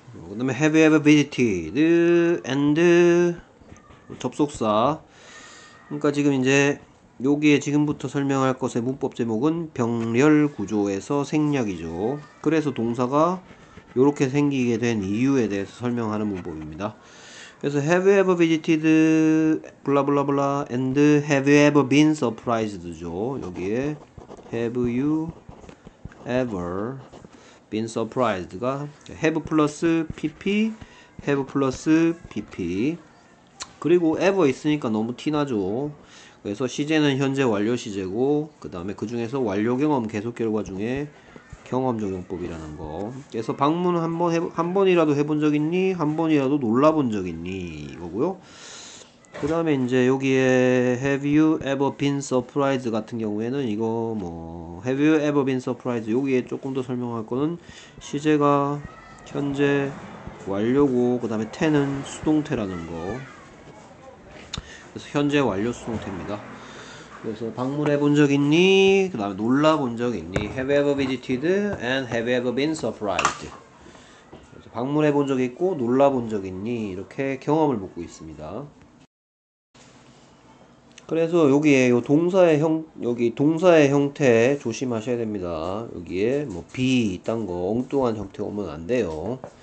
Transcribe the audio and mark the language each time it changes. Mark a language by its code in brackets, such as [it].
[ko] 그다음에 [en] Have you ever visited and 접속사. [ko] 그러니까 지금 이제 여기에 지금부터 설명할 것의 문법 제목은 병렬 구조에서 생략이죠. 그래서 동사가 이렇게 생기게 된 이유에 대해서 설명하는 문법입니다. 그래서 [en] Have you ever visited blah blah blah and Have you ever been surprised죠. 여기에 Have you ever been surprised가 have 플러스 pp, have 플러스 pp. [ko] 그리고 ever 있으니까 너무 티나죠. 그래서 시제는 현재 완료 시제고, 그 다음에 그 중에서 완료 경험 계속 결과 중에 경험 적용법이라는 거. 그래서 방문 한 번이라도 해본 적 있니? 한 번이라도 놀라본 적 있니? 이거고요. 그 다음에 이제 여기에 [en] Have you ever been surprised [ko] 같은 경우에는 이거 뭐 Have you ever been surprised 여기에 조금 더 설명할 거는 시제가 현재 완료고 그 다음에 태는 수동태라는 거. 그래서 현재 완료 상태입니다. 그래서 방문해 본적 있니? 그 다음에 놀라 본적 있니? [en] Have you ever visited and have you ever been surprised? [ko] 방문해 본적 있고 놀라 본적 있니? 이렇게 경험을 묻고 있습니다. 그래서 여기에 요 여기 동사의 형태 조심하셔야 됩니다. 여기에 뭐 be 딴 거 엉뚱한 형태 오면 안 돼요.